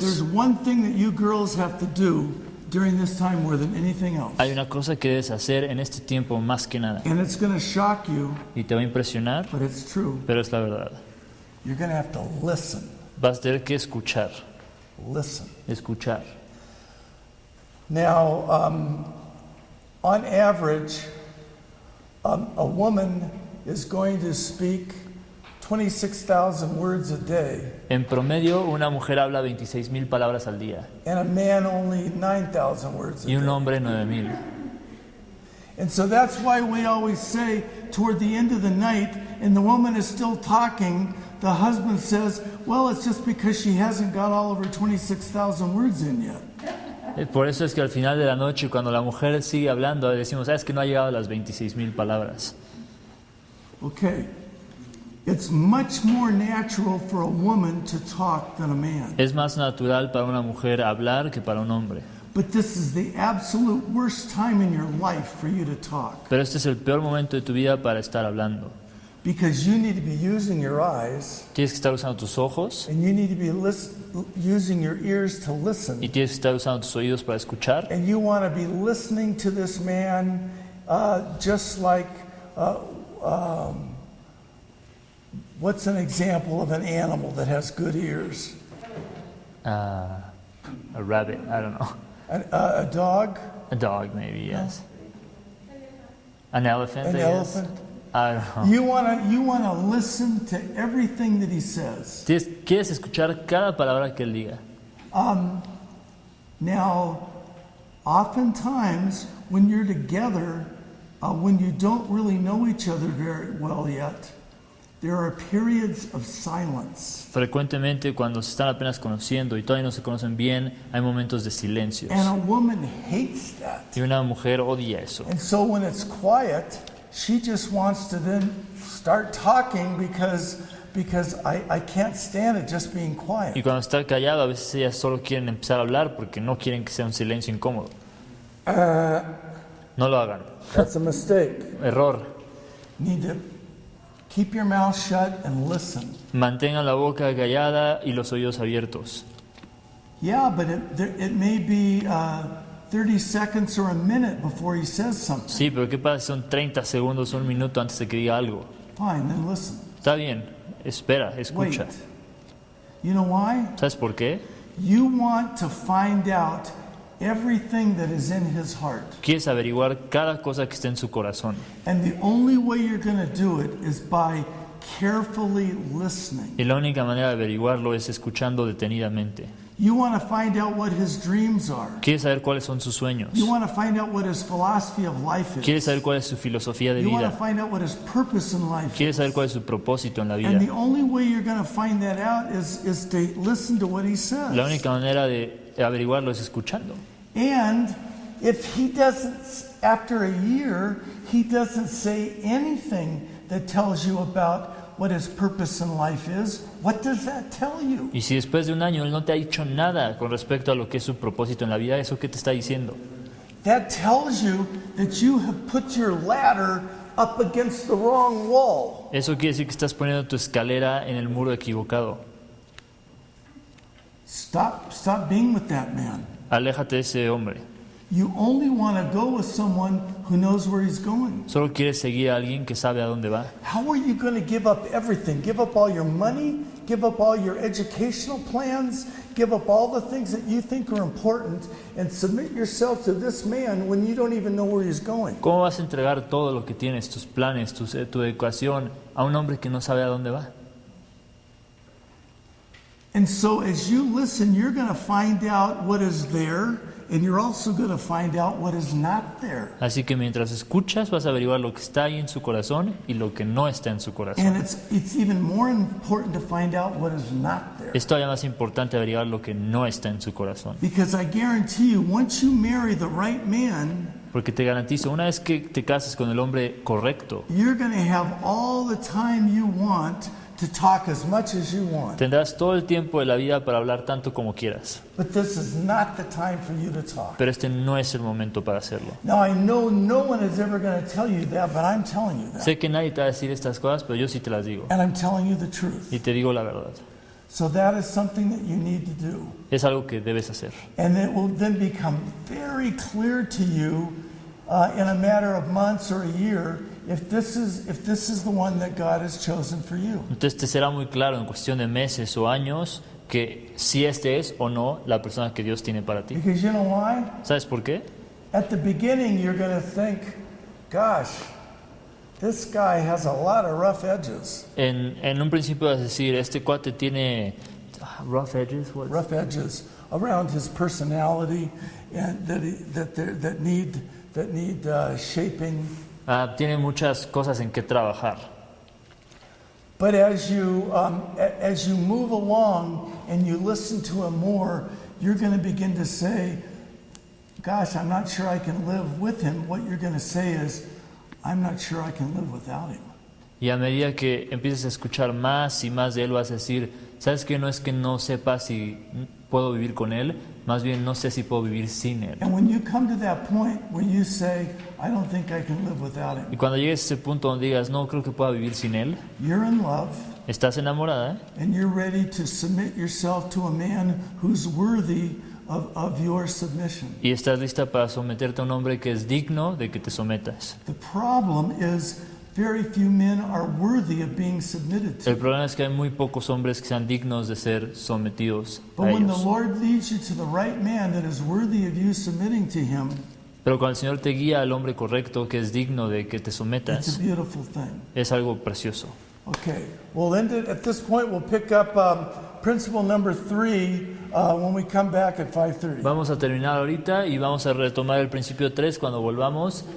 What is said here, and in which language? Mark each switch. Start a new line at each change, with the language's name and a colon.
English: There's one thing that you girls have to do during this time more than anything else.
Spanish: Hay una cosa que debes hacer en este tiempo más que nada.
English: And it's going to shock you.
Spanish: Y te va a impresionar.
English: But it's true.
Spanish: Pero es la verdad.
English: You're going to have to listen.
Spanish: Vas a tener que escuchar.
English: Listen.
Spanish: Escuchar.
English: Now, on average, a woman is going to speak 26,000 words a day.
Spanish: En promedio, una mujer habla 26,000 palabras al día.
English: And a man only 9,000 words a day.
Spanish: Y un hombre 9,000.
English: And so that's why we always say toward the end of the night, and the woman is still talking, the husband says, well, it's just because she hasn't got all of her 26,000 words in yet.
Spanish: Por eso es que al final de la noche, cuando la mujer sigue hablando, decimos, es que no ha llegado a las 26,000 palabras.
English: Okay. It's much more natural for a woman to talk than a man.
Spanish: Es más natural para una mujer hablar que para un hombre.
English: But this is the absolute worst time in your life for you to talk.
Spanish: Pero este es el peor momento de tu vida para estar hablando.
English: Because you need to be using your eyes.
Spanish: Tienes que estar usando tus ojos.
English: And you need to be using your ears to listen.
Spanish: Y tienes que estar usando tus oídos para escuchar.
English: And you want to be listening to this man just like what's an example of an animal that has good ears? A rabbit, I don't know. A dog? A dog, maybe, yes. An elephant, An I elephant? Guess. I don't know. You wanna listen to everything that he says.
Spanish: ¿Quieres escuchar cada palabra que él diga?
English: Now, oftentimes, when you're together, when you don't really know each other very well yet, there are periods of silence.
Spanish: Frecuentemente, cuando se están apenas conociendo y todavía no se conocen bien, hay momentos de silencio.
English: And a woman hates that.
Spanish: Y una mujer odia eso.
English: And so when it's quiet, she just wants to then start talking because I can't stand it just being quiet.
Spanish: Y cuando está callado, a veces ellas solo quieren empezar a hablar porque no quieren que sea un silencio incómodo. No lo hagan.
English: That's a mistake.
Spanish: Error.
English: Need to keep your mouth shut and listen.
Spanish: Mantenga la boca callada y los oídos abiertos.
English: Yeah, but it may be 30 seconds or a minute before he says something.
Spanish: Sí, pero ¿qué pasa si son 30 segundos o un minuto antes de que diga algo?
English: Fine, then listen.
Spanish: Está bien, espera, escucha.
English: Wait. You know why?
Spanish: ¿Sabes por qué?
English: You want to find out everything that is in his heart.
Spanish: Quieres averiguar cada cosa que está en su corazón.
English: And the only way you're going to do it is by carefully listening.
Spanish: Y la única manera de averiguarlo es escuchando detenidamente.
English: You want to find out what his dreams are.
Spanish: Quieres saber cuáles son sus sueños.
English: You want to find out what his philosophy of life is.
Spanish: Quieres saber cuál es su filosofía de vida.
English: You want to find out what his purpose in life is.
Spanish: Quieres saber cuál es su propósito en la vida.
English: And the only way you're going to find that out is to listen to what he says.
Spanish: La única manera de averiguarlo es escuchando.
English: And if he doesn't, after a year, he doesn't say anything that tells you about what his purpose in life is, what does that tell you?
Spanish: Y si después de un año él no te ha dicho nada con respecto a lo que es su propósito en la vida, ¿eso qué te está diciendo?
English: That tells you that you have put your ladder up against the wrong wall.
Spanish: Eso quiere decir que estás poniendo tu escalera en el muro equivocado.
English: Stop being with that man.
Spanish: Aléjate de ese hombre.
English: You only want to go with someone who knows where he's going.
Spanish: Solo quieres seguir a alguien que sabe a dónde va.
English: How are you going to give up everything? Give up all your money? Give up all your educational plans? Give up all the things that you think are important and submit yourself to this man when you don't even know where he's going?
Spanish: ¿Cómo vas a entregar todo lo que tienes, tus planes, tu educación a un hombre que no sabe a dónde va?
English: And so as you listen, you're going to find out what is there And you're also going to find out what is not there.
Spanish: Así que mientras escuchas, vas a averiguar lo que está ahí en su corazón y lo que no está en su corazón.
English: And it's even more important to find out what is not there.
Spanish: Es todavía más importante averiguar lo que no está en su corazón.
English: Because I guarantee you, once you marry the right man,
Spanish: porque te garantizo, una vez que te cases con el hombre correcto,
English: you're going to have all the time you want to talk as much as you want.
Spanish: Tendrás todo el tiempo de la vida para hablar tanto como quieras.
English: But this is not the time for you to talk.
Spanish: Pero este no es el momento para hacerlo.
English: Now I know no one is ever going to tell you that, but I'm telling you that.
Spanish: Sé que nadie te va a decir estas cosas, pero yo sí te las digo.
English: And I'm telling you the truth.
Spanish: Y te digo la verdad.
English: So that is something that you need to do.
Spanish: Es algo que debes hacer.
English: And it will then become very clear to you in a matter of months or a year. If this is the one that God has chosen for you.
Spanish: Entonces te será muy claro en cuestión de meses o años que si este es o no la persona que Dios tiene para ti.
English: Because you know why?
Spanish: ¿Sabes por qué?
English: At the beginning you're going to think, gosh, this guy has a lot of rough edges.
Spanish: En un principio vas a decir, este cuate tiene
English: rough edges. What? Rough edges around his personality and that need shaping.
Spanish: Tiene muchas cosas en que trabajar.
English: But as you move along and you listen to him more, you're going to begin to say, gosh, I'm not sure I can live with him. What you're going to say is, I'm not sure I can live without him.
Spanish: Y a medida que empieces a escuchar más y más de él, vas a decir, ¿sabes qué? No es que no sepa si puedo vivir con él, más bien no sé si puedo vivir sin él.
English: And when you come to that point where you say, I don't think I can live without him.
Spanish: Y cuando llegues a ese punto donde digas, no creo que pueda vivir sin él.
English: You're in love.
Spanish: Estás enamorada.
English: And you're ready to submit yourself to a man who's worthy of your submission.
Spanish: Y estás lista para someterte a un hombre que es digno de que te sometas.
English: The problem is very few men are worthy of being submitted to.
Spanish: El problema es que hay muy pocos hombres que sean dignos de ser sometidos a ellos.
English: But when the Lord leads you to the right man that is worthy of you submitting to him,
Spanish: pero cuando el Señor te guía al hombre correcto que es digno de que te sometas,
English: it's a beautiful thing.
Spanish: Es algo precioso.
English: Okay, we'll end it at this point. We'll pick up principle number 3 when we come back at 5:30.
Spanish: Vamos a terminar ahorita y vamos a retomar el principio 3 cuando volvamos.